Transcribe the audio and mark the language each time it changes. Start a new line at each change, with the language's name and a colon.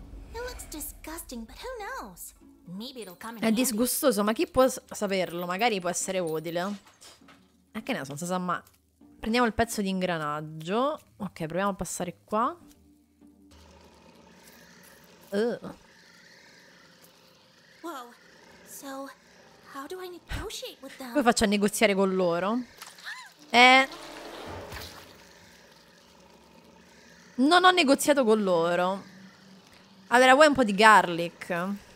English: It looks disgusting, but who knows? Maybe it'll come in
Italian: è disgustoso, ma chi può saperlo? Magari può essere utile. Che ne so, non si sa mai. Prendiamo il pezzo di ingranaggio. Ok, proviamo a passare qua.
English: So, how do I negotiate with them?
Italian: Come faccio a negoziare con loro? Non ho negoziato con loro. Allora, vuoi un po' di garlic?